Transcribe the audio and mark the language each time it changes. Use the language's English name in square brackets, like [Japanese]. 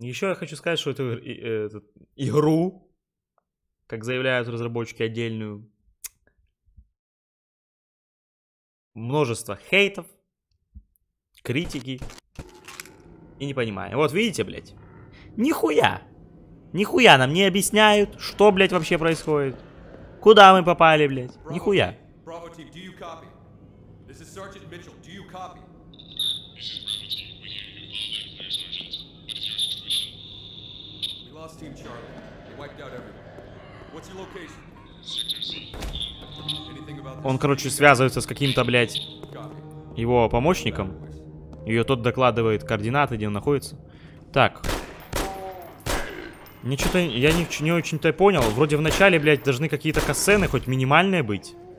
[Russian] Еще я хочу сказать, что эту игру, как заявляют разработчики отдельную, множество хейтов, критики, и не понимаю. Вот видите, блядь. Нихуя. Нихуя нам не объясняют, что, блядь, вообще происходит. Куда мы попали, блядь. Нихуя. [English] Браво Тим, do you copy? This is Sergeant Mitchell, do you copy? This is Браво Тим, we hear you loud and clear, Sergeant. What is your situation? We lost Team Charlie. They wiped out everyone. What's your location? Sector Z. Anything about this? [Russian] Он, короче, связывается с каким-то, блядь, его помощником. Ее тот докладывает координаты, где он находится. Так. Мне что-то... Я не очень-то понял. Вроде в начале, блядь, должны какие-то касцены хоть минимальные быть.